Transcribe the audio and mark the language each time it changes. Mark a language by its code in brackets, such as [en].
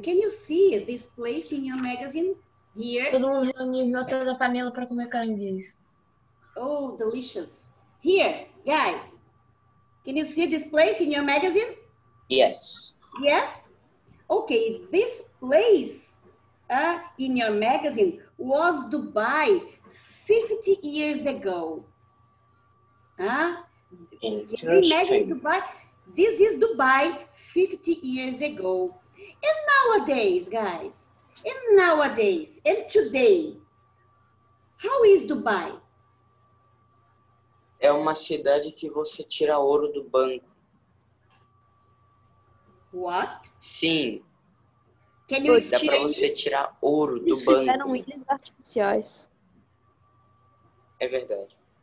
[en] Can you see this place in your magazine here? [pt] Todo mundo reuniu em volta da panela para comer caranguejo. [en] Oh, delicious. Here, guys. Can you see this place in your magazine? Yes. Yes? Okay, this place in your magazine was Dubai 50 years ago. Interesting. Can you imagine Dubai? This is Dubai 50 years ago. And nowadays, guys, and today, how is Dubai? [pt] É uma cidade que você tira ouro do banco. [en] What? [pt] Sim. [en] Can you [pt] dá para você tirar ouro do banco. Eles fizeram ilhas artificiais. É verdade.